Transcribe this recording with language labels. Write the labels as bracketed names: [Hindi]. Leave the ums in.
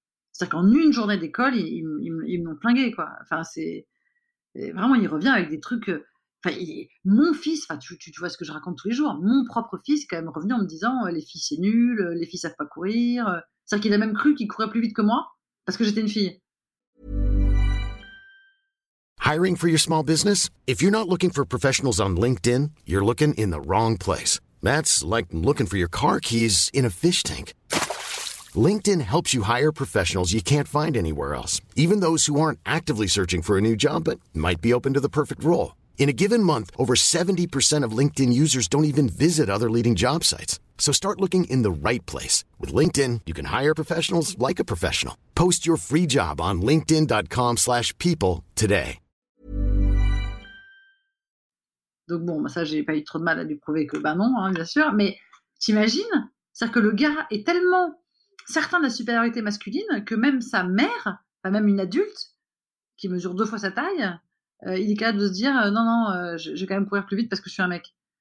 [French] C'est-à-dire qu'en une journée d'école, ils, ils, ils me l'ont plingué, quoi. Enfin, c'est vraiment, il revient avec des trucs. Enfin, et... mon fils, tu, tu, tu, vois ce que je raconte tous les jours, mon propre fils est quand même revenu en me disant les filles c'est nul, les filles savent pas courir. C'est-à-dire qu'il a même cru qu'il courait plus vite que moi parce que j'étais une fille. [English] Hiring for your small business? If you're not looking for professionals on LinkedIn, you're looking in the wrong place. That's like looking for your car keys in a fish tank. LinkedIn helps you hire professionals you can't find anywhere else, even those who aren't actively searching for a new job but might be open to the perfect role. In a given month, over 70% of LinkedIn users don't even visit other leading job sites. So start looking in the right place. With LinkedIn, you can hire professionals like a professional. Post your free job on linkedin.com/people today. [French] Donc bon, bah ça, j'ai pas eu trop de mal à lui prouver que ben bah non, hein, bien sûr. Mais t'imagines C'est-à-dire que le gars est tellement certain de la supériorité masculine que même sa mère, bah même une adulte, qui mesure deux fois sa taille, euh, il est capable de se dire euh, non, non, euh, je, vais quand même courir plus vite parce que je suis un mec.